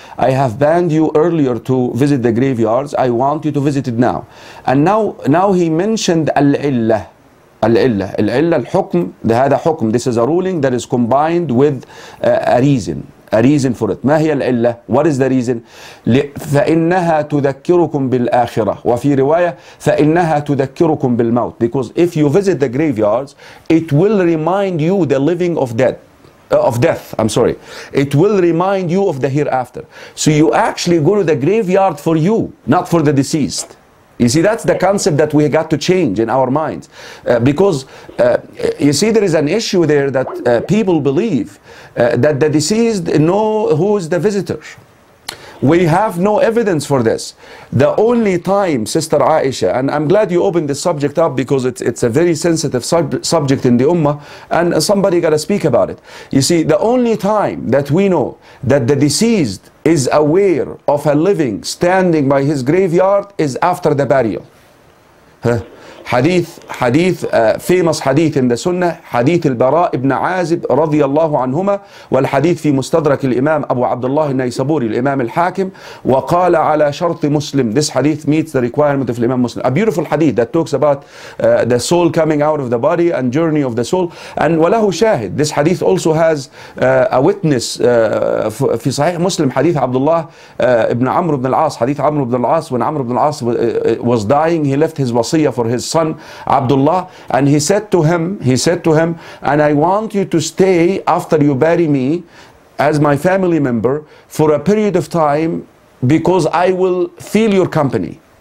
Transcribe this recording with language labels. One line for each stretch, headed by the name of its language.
English: I have banned you earlier to visit the graveyards, I want you to visit it now. And now he mentioned al-illah. Al-illah, al-hukm,
Arabic: هذا حكم,
English: this is a ruling that is combined with a reason for it.
Arabic: ما هي العلة?
English: What is the reason?
Arabic: فإنها تذكركم بالآخرة. وفي رواية فإنها تذكركم بالموت.
English: Because if you visit the graveyards, it will remind you the living of death. I'm sorry. It will remind you of the hereafter. So you actually go to the graveyard for you, not for the deceased. You see, that's the concept that we got to change in our minds. Because there is an issue there that people believe that the deceased know who is the visitor. We have no evidence for this. The only time, Sister Aisha, and I'm glad you opened this subject up because it's a very sensitive subject in the Ummah, and somebody got to speak about it. You see, the only time that we know that the deceased is aware of a living standing by his graveyard is after the burial. Huh?
Arabic: حديث فيمس حديث عند سنة حديث البراء ابن عازب رضي الله عنهما، والحديث في مستدرك الإمام أبو عبد الله النيسابوري الإمام الحاكم، وقال على شرط مسلم.
English: This hadith meets the requirement of الإمام مسلم. A beautiful hadith that talks about the soul coming out of the body and journey of the soul.
Arabic: And وله شاهد.
English: This hadith also has a witness
Arabic: في صحيح مسلم حديث عبد الله ابن عمرو بن العاص.
English: حديث عمرو بن العاص when عمرو بن العاص was dying he left his wasiyah for his son Abdullah and he said to him and I want you to stay after you bury me as my family member for a period of time because I will feel your company.